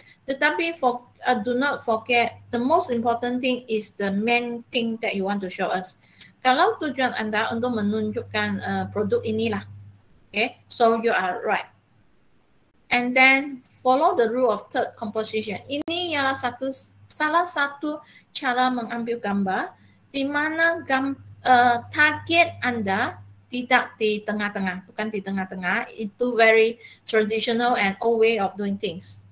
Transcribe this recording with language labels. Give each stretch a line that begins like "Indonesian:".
English: Tetapi for, do not forget, the most important thing is the main thing that you want to show us.
Malay: Kalau tujuan Anda untuk menunjukkan produk inilah.
English: Okay, so you are right. And then follow the rule of third composition.
Malay: Ini ialah satu salah satu cara mengambil gambar di mana target Anda tidak di tengah-tengah, bukan di tengah-tengah.
English: Itu very traditional and old way of doing things.